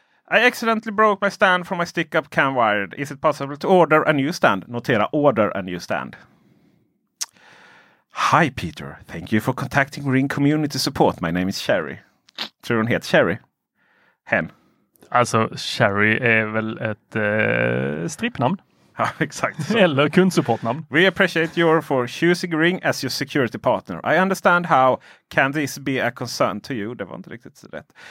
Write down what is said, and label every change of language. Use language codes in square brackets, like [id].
[en] I accidentally broke my stand from my stick-up cam wired. Is it possible to order a new stand? [sv] Notera, [en] order a new stand. Hi Peter, thank you for contacting Ring Community Support. My name is Sherry. [sv] Tror hon heter Sherry? Hen. Alltså, Sherry är väl ett strippnamn? Ja, exakt. Eller kundsupportnamn. [en] We appreciate you for choosing Ring as your security partner. I understand how can this be a concern to you. [sv] Det var inte riktigt så rätt.